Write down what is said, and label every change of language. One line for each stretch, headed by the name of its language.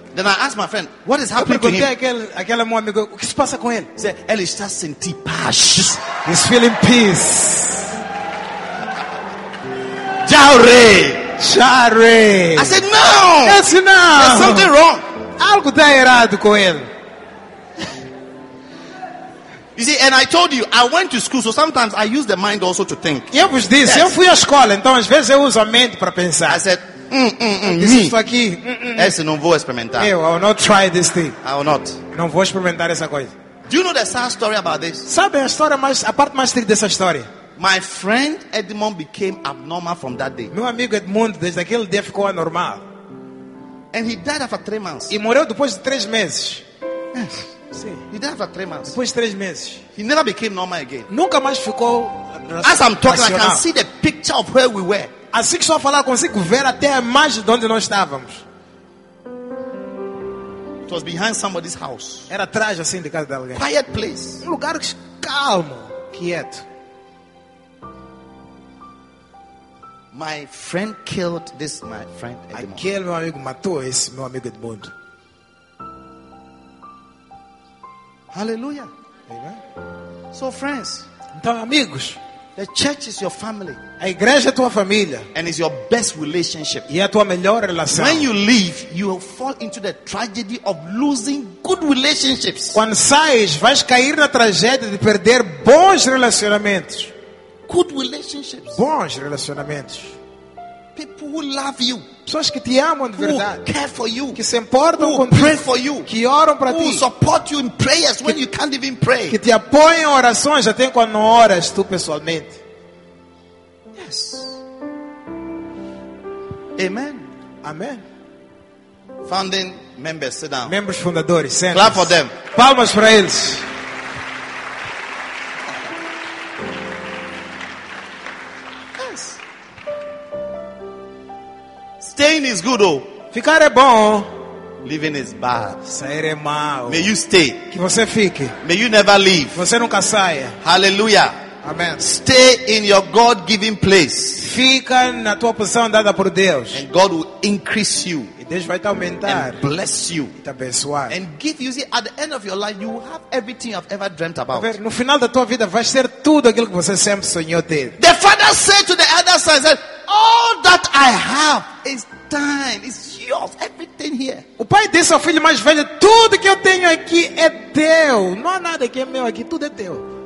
English: Then I asked my friend, what is happening to him?
Portuguese: Aquele meu amigo, o que se passa com ele?
English: He said,
Portuguese: ele está sentindo paz.
English: He's feeling peace. Jare. Jare. I said, no. Yes, no. There's something wrong.
Portuguese: Algo está errado com ele.
English: You see, and I told you, I went to school, so sometimes I use the mind also to think.
Portuguese: Eu vos disse, yes. Eu fui à escola, então às vezes eu uso a mente para pensar.
English: I said,
Portuguese: isso aqui, esse não vou experimentar.
English: Eu, I will not try this thing. I will not.
Portuguese: Não vou experimentar essa coisa.
English: Do you know the sad story about this?
Portuguese: Sabe a história mais, a parte mais triste dessa história?
English: My friend Edmond became abnormal from that day.
Portuguese: Meu amigo Edmond desde aquele dia ficou anormal.
English: And he died after 3 months.
Portuguese: E morreu depois de 3 meses.
English: Yes. See, he died after 3 months.
Portuguese: Depois de 3 meses,
English: he never became normal again.
Portuguese: Nunca mais ficou.
English: As I'm talking, I can see the picture of where we were.
Portuguese: Assim que só falar, consigo ver até a imagem de onde nós estávamos.
English: It was behind somebody's house.
Portuguese: Era atrás assim de casa de alguém.
English: Quiet place.
Portuguese: Um lugar calmo, quieto.
English: My friend killed this my friend Edmond.
Portuguese: Aquele meu amigo matou esse meu amigo Edmond.
English: Hallelujah. Amen. So friends,
Portuguese: então amigos,
English: the church is your family.
Portuguese: A igreja é tua família.
English: And it's your best relationship.
Portuguese: E é a tua melhor relação.
English: When you leave, you will fall into the tragedy of losing good relationships.
Portuguese: Quando sais, vais cair na tragédia de perder bons relacionamentos.
English: Good relationships.
Portuguese: Bons relacionamentos.
English: People who love you.
Portuguese: Pessoas que te amam de verdade.
English: Who care for you.
Portuguese: Que se importam
English: who
Portuguese: contigo.
English: Pray for you.
Portuguese: Que oram para ti.
English: Who support you in prayers when you can't even pray.
Portuguese: Que te apoiam em orações até quando não oras tu pessoalmente.
English: Yes. Amen. Amen. Founding members, sit down.
Portuguese: Membros fundadores, sentem-se.
English: Clap for them.
Portuguese: Palmas para eles.
English: Staying is good, oh.
Portuguese: Ficar é bom.
English: Living is bad.
Portuguese: Sair é mal.
English: May you stay.
Portuguese: Que você fique.
English: May you never leave.
Portuguese: Você nunca saia.
English: Hallelujah. Amen. Stay in your God-given place.
Portuguese: Fica na tua posição dada por Deus.
English: And God will increase you.
Portuguese: E Deus vai te aumentar.
English: And bless you.
Portuguese: E te abençoar.
English: And give you, see, at the end of your life, you will have everything you've ever dreamt about.
Portuguese: Ver, no final da tua vida, vai ser tudo aquilo que você sempre sonhou ter.
English: The father said to the other son, said, all that I have is thine, it's yours, everything here.
Portuguese: O pai disse ao filho mais velho, tudo que eu tenho aqui é teu. Não há nada que é meu aqui, tudo é teu.